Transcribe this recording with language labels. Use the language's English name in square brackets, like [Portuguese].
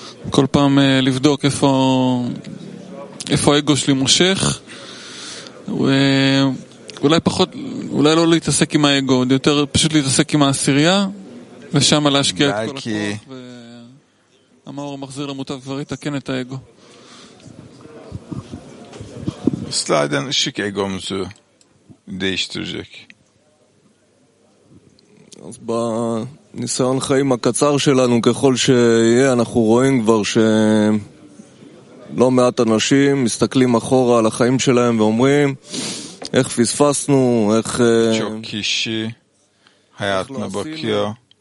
[Hebrew] כל פעם לבדוק איפה האגו שלי מושך. אולי פחות, אולי לא להתעסק עם האגו, יותר פשוט להתעסק עם הסירייה, ושם להשקיע את כל הכוח, והמאור המחזיר למוטב כבר יתקן את האגו. [Turkish] Sliden ışık egomuzu değiştirecek. [Hebrew] אז בניסיון חיים הקצר שלנו, ככל שיהיה, אנחנו רואים כבר שלא מעט אנשים מסתכלים אחורה על החיים שלהם ואומרים איך פספסנו, איך [Turkish] çok kişi hayatına bakıyor.